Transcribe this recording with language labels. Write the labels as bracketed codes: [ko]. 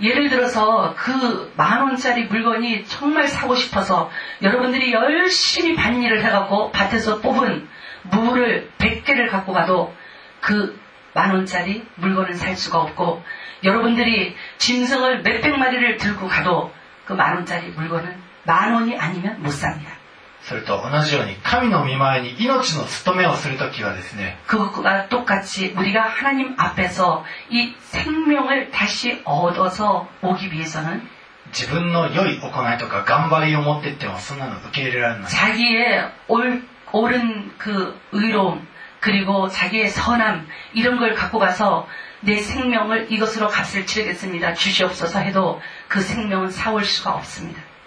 [ko] 예를들어서그만원짜리물건이정말사고싶어서여러분들이열심히밭일을해갖고밭에서뽑은무를100개를갖고가도그만원짜리물건을살수가없고여러분들이짐승을몇백마리를들고가도그만원짜리물건은만원이아니면못삽니다。 [ja] それと同じように神の御前に命の務めをするときはですね、 [ko] 그것과똑같이우리가하나님앞에서이생명을다시얻어서오기위해서는 [ja] 自分の良い行いとか頑張りを持っていってもそんなの受け入れられない。 [ko] 자기의 옳은그의로움그리고자기의선함이런걸갖고가서내생명을이것으로값을치르겠습니다주시옵소서해도그생명은사올수가없습니다。